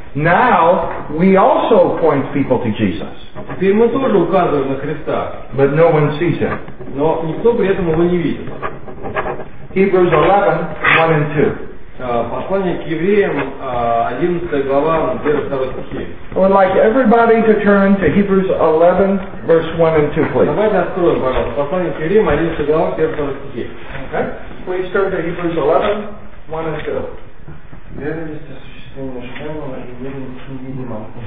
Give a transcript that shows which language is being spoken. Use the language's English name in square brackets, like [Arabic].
[English] Now we also point people to Jesus. [Russian] Теперь мы тоже указываем на Христа. [English] But no one sees him. [Russian] Но никто при этом его не видит. [English] Hebrews 11:1-2. [Russian] Послание к евреям, 11 глава, 1-2 стихи. [English] I would like everybody to turn to Hebrews 11, verse 1 and 2, please. [Russian] Давайте откроем, пожалуйста. Послание к евреям, 11 глава, 1-2 стихи. [English] Okay. Please turn to Hebrews 11:1-2. [Russian] Вера есть осуществление желаемого и вера есть невидимого.